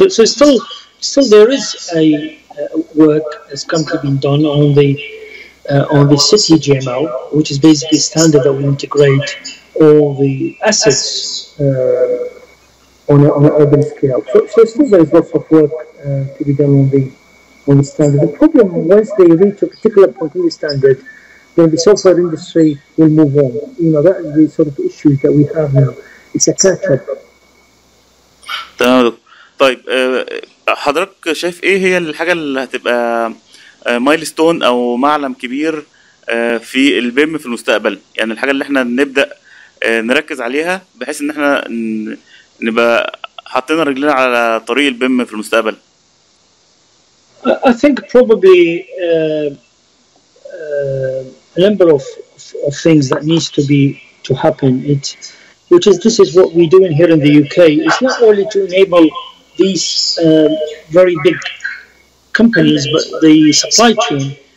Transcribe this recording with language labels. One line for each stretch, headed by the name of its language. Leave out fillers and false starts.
English: So still there is a work that's going to be done on the city GML, which is basically standard that will integrate all the assets on an urban scale. So still there's lots of work to be done on the standard. The problem, once they reach a particular point in the standard, then the software industry will move on. You know, that is the sort of issue that we have now. It's a catch-up.
Arabic: تمام دكتور. طيب حضرتك شايف ايه هي الحاجة اللي هتبقى مايلستون او معلم كبير في البيم في المستقبل؟ يعني الحاجة اللي احنا نبدأ نركز عليها بحيث ان احنا نبقى حطينا رجلنا على طريق البيم في المستقبل.
English: I think probably a number of things that needs to happen. This is what we're doing here in the UK. It's not only to enable these very big companies, but the supply chain.